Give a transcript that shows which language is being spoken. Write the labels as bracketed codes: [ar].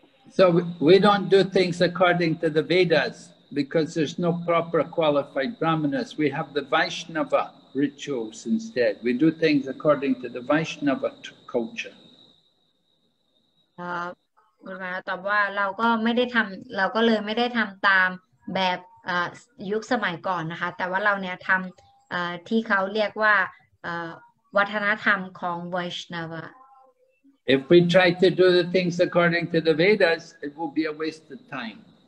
[en] So we don't do things according to the Vedas because there's no proper qualified brahmanas. We have the Vaishnava rituals instead. We do things according to the Vaishnava culture. [th] ครับก็มาตอบว่าเราก็ไม่ได้ทําเราก็เลยไม่ได้ทําตามแบบยุคสมัยก่อนนะคะแต่ว่าเราเนี่ยทําที่เขาเรียกว่าวัฒนธรรมของไวชนวะ [en] If we try to do the things according to the Vedas, it will be a waste of time.